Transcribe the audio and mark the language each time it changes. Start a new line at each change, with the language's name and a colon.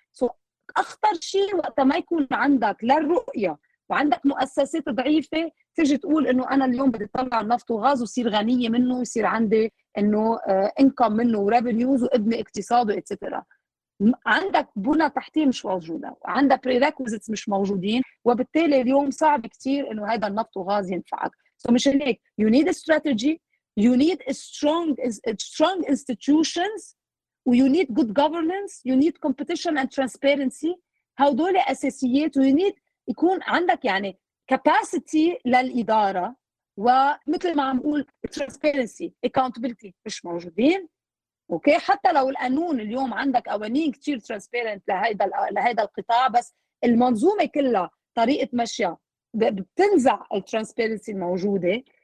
Arabic: سو أخطر شيء وقت ما يكون عندك للرؤية وعندك مؤسسات ضعيفة تجي تقول أنه أنا اليوم بدي طلع النفط وغاز وصير غنية منه، يصير عندي أنه إنكم منه وربنيوز وابني اقتصاده اتسترا. عندك بنى تحتية مش موجودة، وعندك prerequisites مش موجودين، وبالتالي اليوم صعب كتير انه هذا النفط وغاز ينفعك.
English: So
Arabic: مش هيك،
English: you need a strategy, you need strong institutions, you need good governance, you need competition and transparency.
Arabic: هدول اساسيات،
English: you need
Arabic: يكون عندك يعني capacity للإدارة، ومثل ما عم قول
English: transparency, accountability
Arabic: مش موجودين. اوكي حتى لو القانون اليوم عندك قوانين كتير ترانسبيرنت لهذا القطاع، بس المنظومه كلها طريقه مشيها بتنزع الترانسبيرنسي الموجوده.